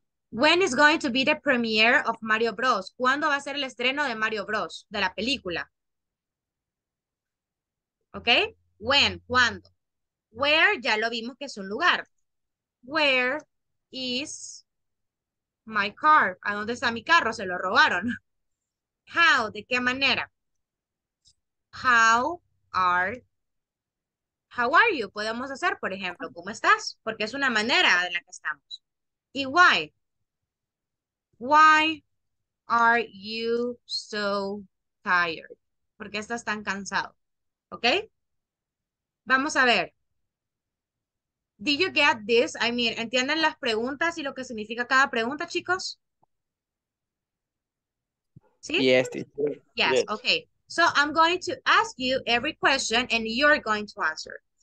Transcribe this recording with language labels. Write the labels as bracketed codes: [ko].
[en] When is going to be the premiere of Mario Bros? [es] ¿Cuándo va a ser el estreno de Mario Bros? De la película. ¿Ok? When, ¿cuándo? Where, ya lo vimos que es un lugar. [en] Where is my car? [es] ¿A dónde está mi carro? Se lo robaron. [en] How, [es] ¿de qué manera? [en] How are you? [es] Podemos hacer, por ejemplo, ¿cómo estás? Porque es una manera de la que estamos. [en] ¿Y why? Why are you so tired? [es] ¿Por qué estás tan cansado? ¿Ok? Vamos a ver. [en] Did you get this? I mean, [es] ¿entienden las preguntas y lo que significa cada pregunta, chicos? ¿Sí? [en] Yes. Yes, ok. So I'm going to ask you every question and you're going to answer.